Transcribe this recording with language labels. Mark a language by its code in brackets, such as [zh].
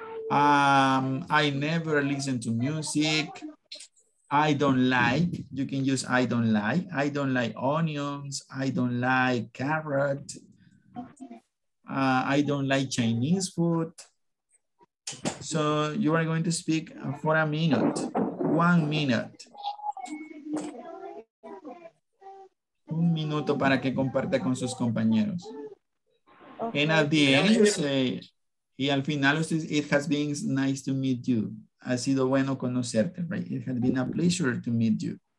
[en] I never listen to music. I don't like, you can use I don't like. I don't like onions. I don't like carrot. I don't like Chinese food. So you are going to speak for a minute, 1 minute. [es] Un minuto para que comparta con sus compañeros. [en] Okay. And at the end, you say, [es] y al final, usted, [en] it has been nice to meet you. [es] Ha sido bueno conocerte, [en] right? It has been a pleasure to meet you.